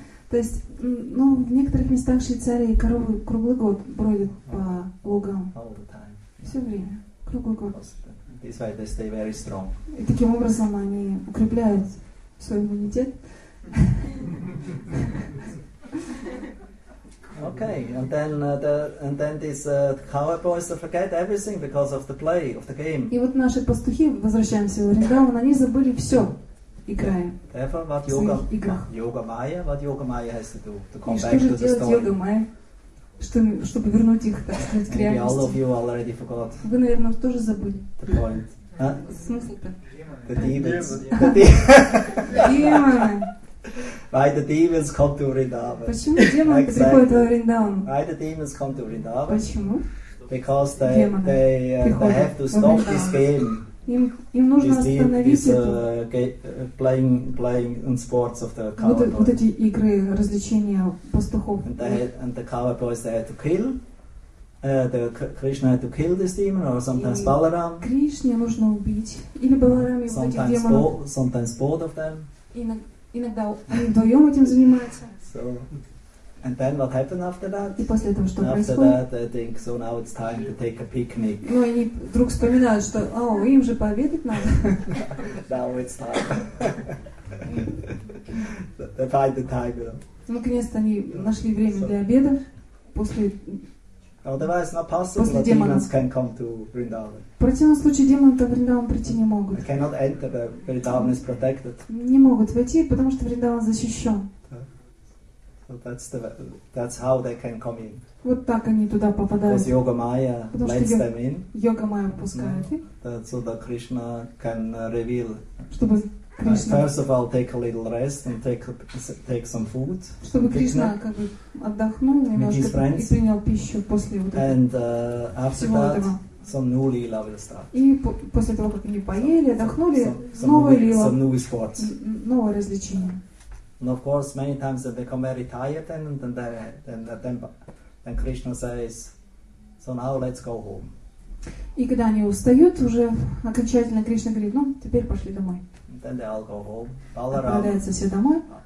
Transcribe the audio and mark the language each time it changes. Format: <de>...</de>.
<ru>То есть, ну, в некоторых местах Швейцарии коровы круглый год бродят по лугам.</ru> <en>All the time.</en> <ru>Все время, круглый год.</ru> <en>This way they stay very strong.</en> <ru>И таким образом они укрепляют свой иммунитет.</ru> <en>Okay, and then the cowboy boys forget everything because of the play of the game.</en> <ru>И вот наши пастухи, возвращаемся в Вриндаван, они забыли все, играя.</ru> <en>Therefore, what yoga? Yoga Maya. What yoga Maya has to do to come back to the story? Yoga Maya?</en> <ru>Чтобы вернуть их, так сказать, к реальности.</ru> <en>All of you already forgot.</en> <ru>Вы, наверное, тоже забыли.</ru> <en>The point.</en> <ru>Huh? Смысл-то?</ru> <en>The demons.</en> <ru>Демоны.</ru> <en>Why the demons come to Vrindavan?</en> <ru>Почему демоны приходят во Вриндаван?</ru> <en>Why the demons come to Vrindavan?</en> <ru>Почему?</ru> <en>Because they have to stop this game.</en> <ru>Им нужно остановить</ru> <en>это. Playing in sports of the cowboys.</en> <ru>Вот эти игры, развлечения пастухов.</ru> <en>And the cowboys they had to kill. Krishna had to kill this demon, or sometimes Balaram.</en> <ru>Кришне нужно убить или Баларам его этих демонов.</ru> <en>Sometimes both of them.</en> <ru>Иногда они вдвоем этим занимаются.</ru> <en>So, and then what happened after that?</en> <ru>И после этого что происходит?</ru> <en>After that, they think, so now it's time to take a picnic.</en> <ru>Ну, они вдруг вспоминают, что, им же пообедать надо.</ru> <en>Now it's time. They find the time, you know.</en> <ru>Наконец-то они нашли время для обеда после.</ru> <en>Otherwise, not possible. The demons can come to Vrindavan.</en> <ru>В противном случае демоны до Вриндавана прийти не могут.</ru> <en>They cannot enter. The Vrindavan is protected.</en> <ru>Не могут войти, потому что Вриндаван защищен.</ru> <en>Well, that's how they can come in.</en> <ru>Вот так они туда попадают.</ru> <en>Because Yoga Maya lets them in.</en> <ru>Yoga Maya пускает их.</ru> <en>That so that Krishna can reveal.</en> <ru>Чтобы Кришна.</ru> <en>First of all, take a little rest and take some food.</en> <ru>Чтобы Кришна как бы отдохнул немножко и принял пищу после вот этого.</ru> <en>And after that, some new lila will start.</en> <ru>И после того, как они поели, отдохнули, новая лила.</ru> <en>Some new sports.</en> <ru>Новое развлечение.</ru> <en>And of course, many times they become very tired, and then Krishna says, "So now let's go home."</en> <ru>И когда они устают, уже окончательно Кришна говорит, ну, теперь пошли домой. Тогда алкоголь, отправляются все домой.</ru>